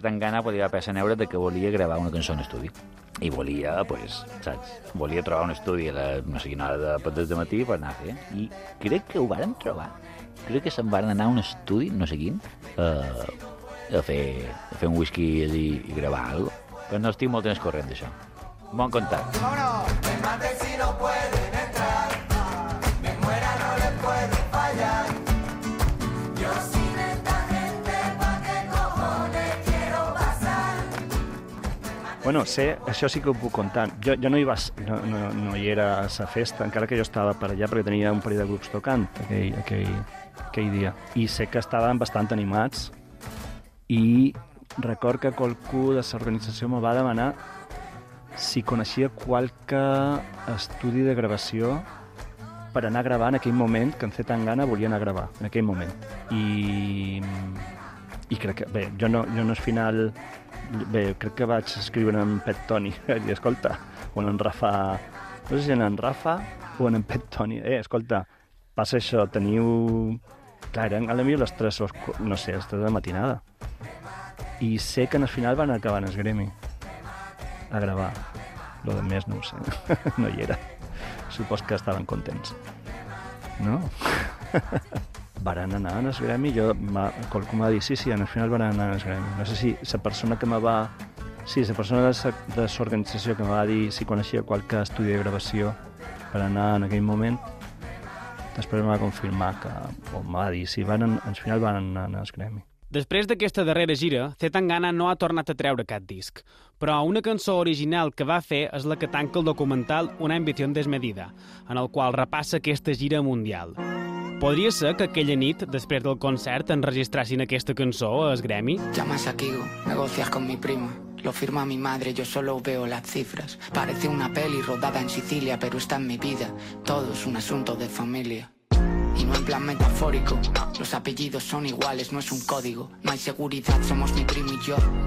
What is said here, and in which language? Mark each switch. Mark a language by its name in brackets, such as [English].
[Catalan] Tangana podia passar a neure de que volia gravar una cançó en estudi. I volia, pues, saps? Volia trobar un estudi a la, no sé quina hora de petits de matí per anar a fer. I crec que ho vàrem trobar. Crec que se'n van anar a un estudi, no sé quin, a fer un whisky i gravar algo. Però no estic molt en el corrent d'això. Bon contacte. No. [Spanish] Me mate si no pueden entrar. Me muera, no le puedo fallar. Yo sin esta gente, ¿pa qué cojones quiero pasar? [Catalan] Bueno, sé, això sí que ho puc contar. Jo no hi vas, no hi era a sa festa, encara que jo estava per allà perquè tenia un parell de grups tocant aquell dia. I sé que estaven bastant animats. I record que qualcú de l'organització me va demanar si coneixia qualque estudi de gravació per anar a gravar en aquell moment que en C. Tangana volia anar a gravar, en aquell moment. I crec que, bé, jo no és final... Bé, crec que vaig escriure en Pet Toni, i escolta, o en Rafa... No sé si en Rafa o en Pet Toni. Escolta, passa això, teniu... Clar, eren a la millor les 3 o no sé, les 3 de matinada. I sé que en el final van acabar en el gremi a gravar. Lo de més no ho sé, no hi era. Supos que estaven contents. No? Varen anar en el gremi, jo qualcú m'ha dit, sí, en el final van anar en el gremi. No sé si la persona que me va... Sí, la persona de l'organització que me va dir si coneixia qualque estudi de gravació per anar en aquell moment, després em va confirmar que em va dir si van, al final van anar al gremi. Després d'aquesta darrera gira, C. Tangana no ha tornat a treure cap disc. Però una cançó original que va fer és la que tanca el documental Una ambició desmedida, en el qual repassa aquesta gira mundial. Podria ser que aquella nit, després del concert, enregistrassin aquesta cançó al gremi? [Spanish] Llamas a Kigo, negocias con mi prima. Lo firma mi madre, yo solo veo las cifras. Parece una peli rodada en Sicilia, pero está en mi vida. Todo es un asunto de familia. Y no en plan metafórico. Los apellidos son iguales, no es un código. No hay seguridad, somos mi primo y yo.